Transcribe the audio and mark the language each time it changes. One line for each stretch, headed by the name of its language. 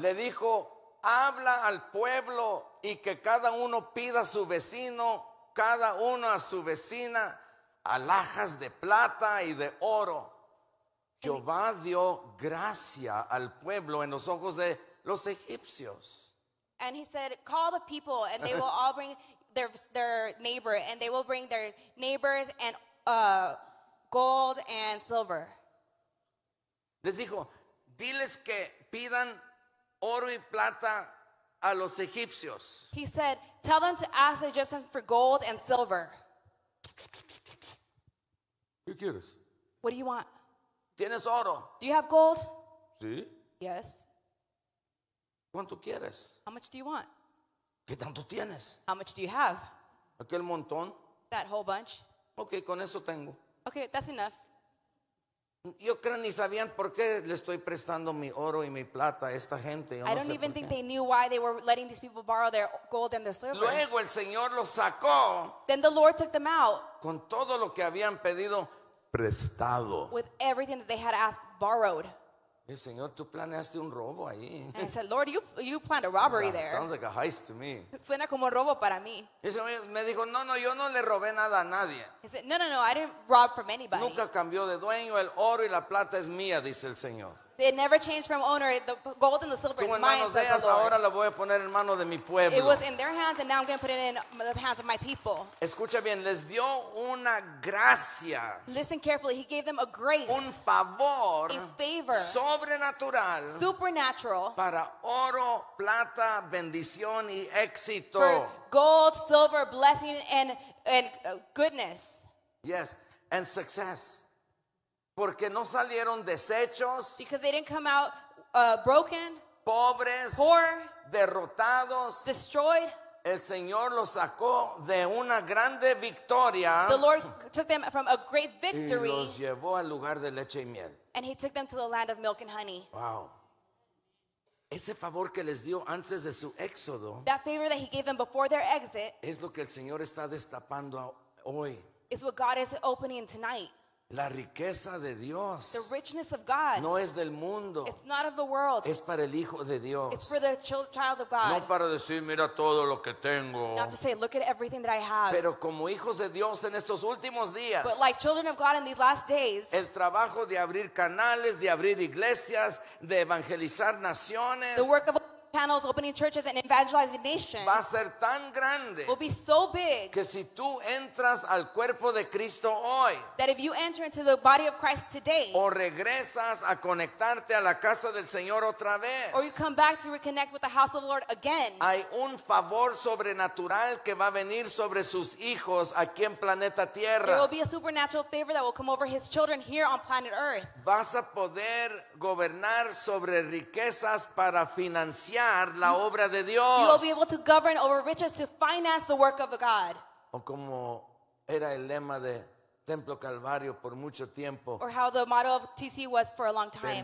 Spanish: Le dijo, habla al pueblo y que cada uno pida a su vecino, cada uno a su vecina. Alhajas de plata y de oro. Jehová dio gracia al pueblo en los ojos de los egipcios.
English: And he said, call the people and they will all bring their neighbor and they will bring their neighbors and gold and silver.
Spanish: Les dijo, diles que pidan oro y plata a los egipcios.
English: He said, tell them to ask the Egyptians for gold and silver.
Spanish: ¿Qué quieres?
English: What do you want?
Spanish: ¿Tienes oro?
English: Do you have gold?
Spanish: Sí.
English: Yes.
Spanish: ¿Cuánto quieres?
English: How much do you want?
Spanish: ¿Qué tanto tienes?
English: How much do you have?
Spanish: ¿Aquel montón?
English: That whole bunch.
Spanish: Okay, con eso tengo.
English: Okay, that's enough.
Spanish: Yo creo ni sabían por qué le estoy prestando mi oro y mi plata a esta gente.
English: I don't even think they knew why they were letting these people borrow their gold and their silver.
Spanish: Luego el Señor los sacó.
English: Then the Lord took them out.
Spanish: Con todo lo que habían pedido prestado.
English: With everything that they had asked borrowed.
Spanish: Y el Señor, tú planeaste un robo ahí.
English: And I said, Lord, you planned a robbery there. Sounds like a heist to me.
Spanish: Suena como robo para mí. Y el Señor me dijo, no, yo no le robé nada a nadie.
English: He said, no, I didn't rob from anybody.
Spanish: Nunca cambió de dueño, el oro y la plata es mía, dice el Señor.
English: They never changed from owner, the gold and the silver is mine, says the Lord.
Spanish: Ahora la voy a poner en mano de mi pueblo.
English: It was in their hands and now I'm going to put it in the hands of my people.
Spanish: Escucha bien, les dio una gracia.
English: Listen carefully, he gave them a grace.
Spanish: Un favor.
English: A favor.
Spanish: Sobrenatural.
English: Supernatural.
Spanish: Para oro, plata, bendición y éxito.
English: For gold, silver, blessing and goodness. Yes, and success.
Spanish: Porque no salieron deshechos.
English: Because they didn't come out broken.
Spanish: Pobres.
English: Poor.
Spanish: Derrotados.
English: Destroyed.
Spanish: El Señor los sacó de una grande victoria.
English: The Lord took them from a great victory.
Spanish: Y los llevó al lugar de leche y miel.
English: And he took them to the land of milk and honey. Wow.
Spanish: Ese favor que les dio antes de su éxodo.
English: That favor that he gave them before their exit.
Spanish: Es lo que el Señor está destapando hoy.
English: Is what God is opening tonight.
Spanish: La riqueza de Dios
English: the richness of God,
Spanish: no es del mundo.
English: It's not of the world.
Spanish: Es para el Hijo de Dios.
English: It's for the child of God.
Spanish: No para decir, mira todo lo que tengo.
English: Not to say, look at everything that I have.
Spanish: Pero como hijos de Dios en estos últimos días,
English: but like children of God in these last days,
Spanish: el trabajo de abrir canales, de abrir iglesias, de evangelizar naciones,
English: the work of channels, opening churches and evangelizing nations
Spanish: va a ser tan grande
English: will be so big
Spanish: que si tú entras al cuerpo de Cristo hoy,
English: that if you enter into the body of Christ today
Spanish: o regresas a conectarte a la casa del Señor otra vez,
English: or you come back to reconnect with the house of the Lord again,
Spanish: hay un favor sobrenatural que va a venir sobre sus hijos aquí en planeta Tierra.
English: There will be a supernatural favor that will come over his children here on planet Earth.
Spanish: Vas a poder gobernar sobre riquezas para financiar la obra de Dios.
English: You will be able to govern over riches to finance the work of God.
Spanish: O como era el lema de Templo Calvario por mucho tiempo.
English: Or how the motto of TC was for a long time.